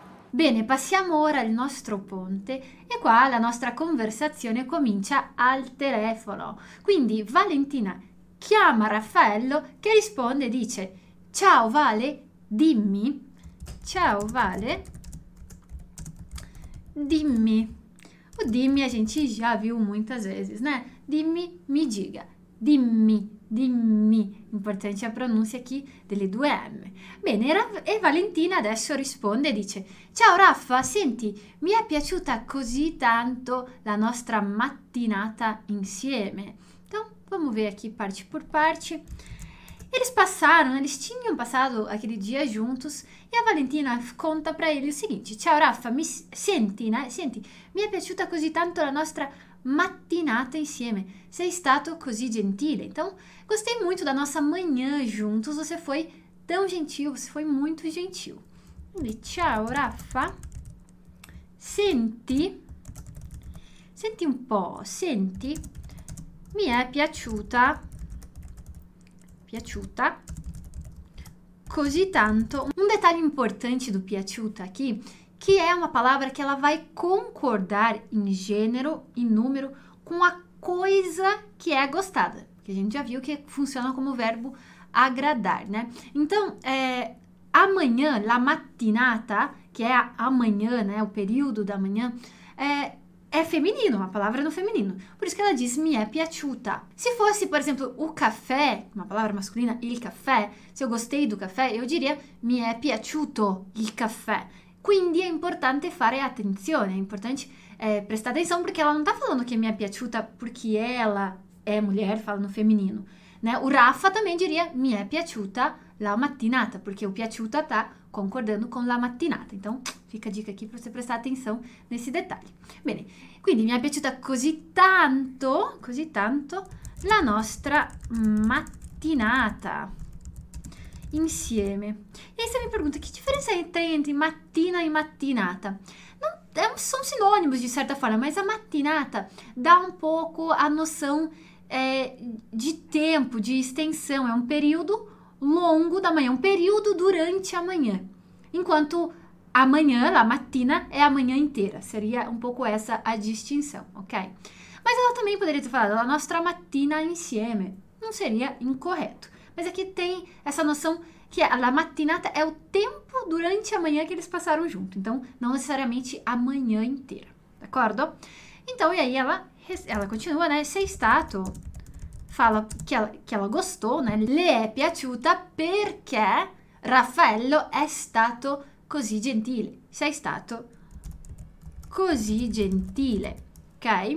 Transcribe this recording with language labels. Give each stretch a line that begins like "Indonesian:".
Italian: Bene, passiamo ora al nostro ponte e qua la nostra conversazione comincia al telefono. Quindi Valentina chiama Raffaello che risponde e dice: Ciao Vale, dimmi. Ciao Vale, dimmi.
Portuguese: O dimmi, a gente já viu muitas vezes, né?
Italian: Dimmi, mi diga, dimmi, dimmi. Importante
Portuguese: a pronuncia aqui
Italian: delle due M. Bene, e Valentina adesso risponde e dice: Ciao Raffa, senti, mi è piaciuta così tanto la nostra mattinata insieme.
Portuguese: Então, vamos ver aqui parte por parte. Eles tinham passado aquele dia juntos e a Valentina conta para ele o seguinte:
Italian: Ciao Raffa, mi senti,
Portuguese: né?
Italian: Senti, mi è piaciuta così tanto la nostra mattinata insieme. Sei stato così gentile.
Portuguese: Então, gostei muito da nossa manhã juntos. Você foi tão gentil, você foi muito gentil.
Italian: E ciao Raffa, senti, senti un po', senti, mi è piaciuta. Piaciuta così tanto.
Portuguese: Um detalhe importante do piaciuta aqui, que é uma palavra que ela vai concordar em gênero e número com a coisa que é gostada, que a gente já viu que funciona como verbo agradar, né? Então, amanhã, la mattinata, que é amanhã, né? O período da manhã, é feminino, a palavra no feminino. Por isso que ela diz mi è piaciuta. Se fosse, por exemplo, o café, uma palavra masculina, il café, se eu gostei do café, eu diria
Italian: mi è piaciuto il café. Quindi è importante fare attenzione, è importante prestare
Portuguese: atenção, perché ela não tá falando che mi è piaciuta porque ela é mulher, fala no feminino, né? O Rafa também diria mi è piaciuta la mattinata, porque o piaciuta tá concordando com la mattinata. Então, fica a dica aqui para você prestar atenção nesse detalhe.
Italian: Bene, quindi mi è piaciuta così tanto la nostra mattinata insieme.
Portuguese: E aí você me pergunta, que diferença tem entre mattina e mattinata? Não, são sinônimos de certa forma, mas a mattinata dá um pouco a noção de tempo, de extensão, é um período longo da manhã, um período durante a manhã. Enquanto a manhã, la mattina, é a manhã inteira. Seria um pouco essa a distinção, ok? Mas ela também poderia ter falado
Italian: la nostra mattina insieme.
Portuguese: Não seria incorreto. Mas aqui tem essa noção que la mattinata é o tempo durante a manhã que eles passaram junto. Então, não necessariamente a manhã inteira, d'accordo? Então, e aí ela continua, né? Sei stato, fala que ela gostou, né?
Italian: Le è piaciuta perché Raffaello è stato così gentile. Sei stato così gentile, ok?